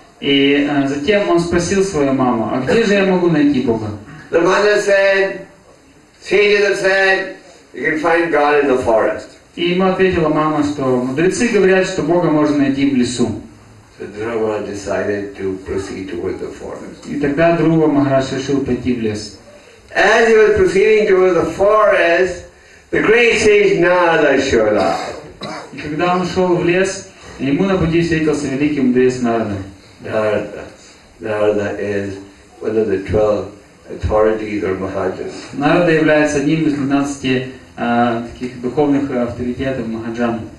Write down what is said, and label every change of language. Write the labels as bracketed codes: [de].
[ru] И затем он спросил свою маму, а где же я могу найти Бога? [en] The mother said, "Sages have said, you can find God in the forest." [ru] И ему ответила мама, что мудрецы говорят, что Бога можно найти в лесу. [en] So Dhruva decided to proceed towards the forest. [ru] И тогда Дхрува Махарадж решил пойти в лес. [en] As he was proceeding towards the forest, the great sage Narada showed up. [ru] И когда он шел в лес, ему на пути встретился великий мудрец Нарада. [en] Narada is one of the 12 authorities or mahajans. [ru] Narada является одним из 12 таких духовных авторитетов махаджан.